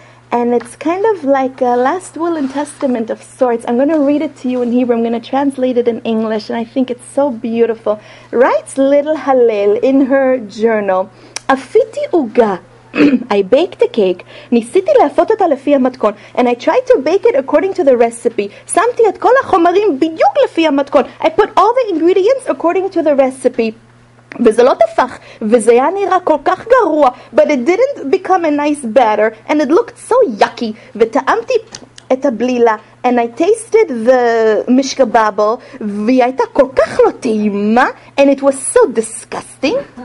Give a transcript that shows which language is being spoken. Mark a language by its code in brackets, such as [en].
[en] And it's kind of like a last will and testament of sorts. I'm going to read it to you in Hebrew. I'm going to translate it in English. And I think it's so beautiful. Writes little Hallel in her journal, Afiti uga. I baked a cake, [he] ניסיתי להפות אותה לפי המתכון, [en] and I tried to bake it according to the recipe. [he] שמתי את כל החומרים בדיוק לפי המתכון. [en] I put all the ingredients according to the recipe. [he] וזה לא תפח, וזה היה נראה כל כך גרוע, [en] but it didn't become a nice batter, and it looked so yucky. [he] וטעמתי את הבלילה, [en] and I tasted the mishkababo, [he] והיא הייתה כל כך לא טעימה, [en] and it was so disgusting.